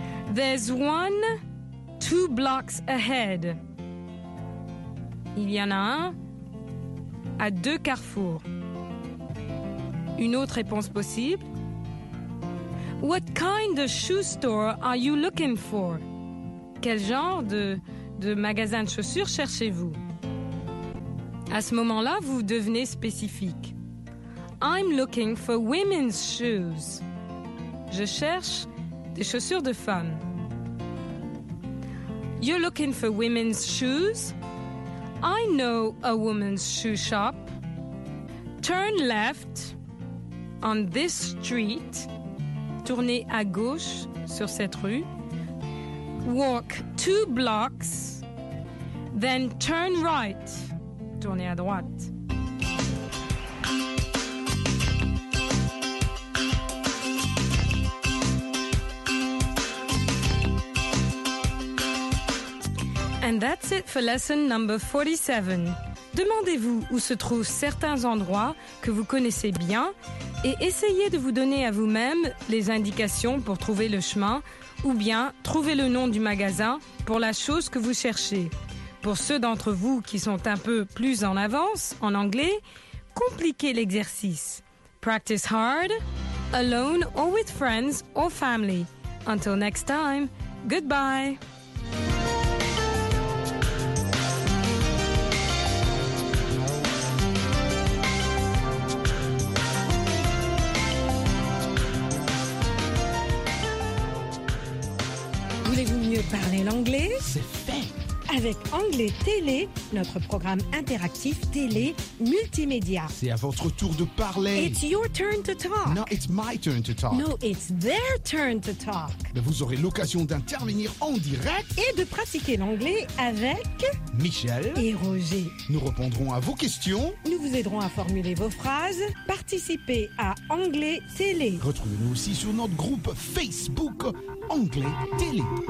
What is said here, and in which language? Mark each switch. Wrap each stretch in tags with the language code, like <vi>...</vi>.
<en>There's one two blocks ahead.</en> <fr>Il y en a un à deux carrefours. Une autre réponse possible.</fr> <en>What kind of shoe store are you looking for?</en> <fr>Quel genre de magasin de chaussures cherchez-vous? À ce moment-là, vous devenez spécifique.</fr> <en>I'm looking for women's shoes.</en> <fr>Je cherche des chaussures de femmes.</fr> <en>You're looking for women's shoes? I know a woman's shoe shop. Turn left. On this street,</en> <fr>tournez à gauche sur cette rue.</fr> <en>Walk two blocks, then turn right.</en> <fr>Tournez à droite.</fr> <en>And that's it for lesson number 47.</en> <fr>Demandez-vous où se trouvent certains endroits que vous connaissez bien et essayez de vous donner à vous-même les indications pour trouver le chemin ou bien trouver le nom du magasin pour la chose que vous cherchez. Pour ceux d'entre vous qui sont un peu plus en avance en anglais, compliquez l'exercice.</fr> <en>Practice hard, alone or with friends or family. Until next time, goodbye!</en> <fr>Parler l'anglais, c'est fait. Avec Anglais Télé, notre programme interactif télé multimédia. C'est à votre tour de parler.</fr> <en>It's your turn to talk. No, it's my turn to talk. No, it's their turn to talk.</en> <fr>Mais vous aurez l'occasion d'intervenir en direct et de pratiquer l'anglais avec Michel et Roger. Nous répondrons à vos questions. Nous vous aiderons à formuler vos phrases. Participez à Anglais Télé. Retrouvez-nous aussi sur notre groupe Facebook Anglais Télé.</fr>